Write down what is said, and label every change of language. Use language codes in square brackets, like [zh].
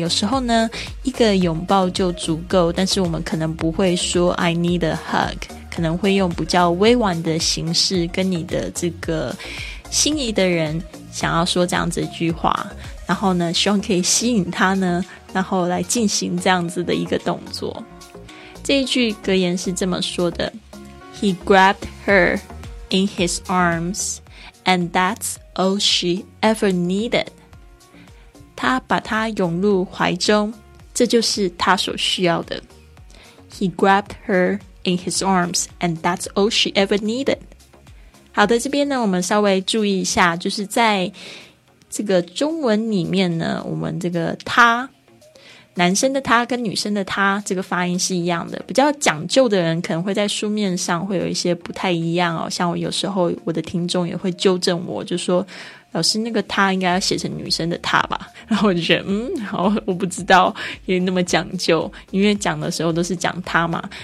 [zh] 有时候呢，一个拥抱就足够，但是我们可能不会说 [en] I need a hug， [zh] 可能会用比较委婉的形式跟你的这个心仪的人想要说这样子一句话，然后呢，希望可以吸引他呢，然后来进行这样子的一个动作。这一句格言是这么说的， [en] He grabbed her in his armsAnd that's all she ever needed. [zh] 他把她拥入怀中，这就是他所需要的。 [en] He grabbed her in his arms, and that's all she ever needed. [zh] 好的，这边呢，我们稍微注意一下，就是在这个中文里面呢，我们这个他，男生的他跟女生的他，这个发音是一样的。比较讲究的人可能会在书面上会有一些不太一样哦。像我有时候我的听众也会纠正我，就说老师那个他应该要写成女生的他吧，然后我就觉得好，我不知道也那么讲究，因为讲的时候都是讲他嘛。